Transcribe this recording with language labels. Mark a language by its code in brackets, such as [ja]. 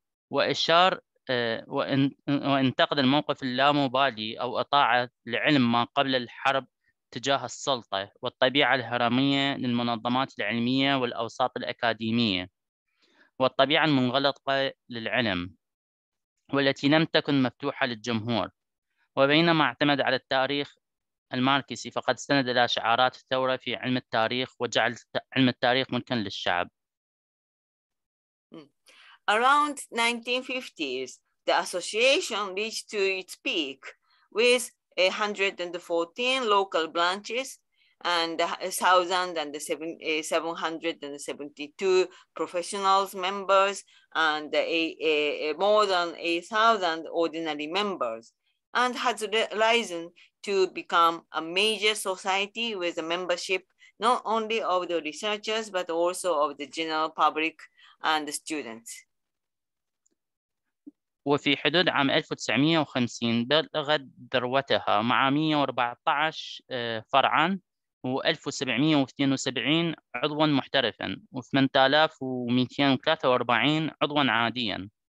[ar] وانتقد الموقف اللامبالي أو إطاعة العلم ما قبل الحرب تجاه السلطة والطبيعة الهرمية للمنظمات العلمية والأوساط الأكاديمية والطبيعة المنغلقة للعلم والتي لم تكن مفتوحة للجمهور وبينما اعتمد على التاريخ الماركسي فقد استند إلى شعارات الثورة في علم التاريخ وجعل علم التاريخ ممكن للشعب. [en] Around 1950s, the association reached to its peak with 114 local branches and 1,772 professionals members and more than 8,000 ordinary members, and has risen to become a major society with a membership not only of the researchers, but also of the general public and the students. [ar] وفي حدود عام 1950 بلغت ذروتها مع 114 فرعا و 1772 عضوا محترفا و 8243 عضوا عاديا.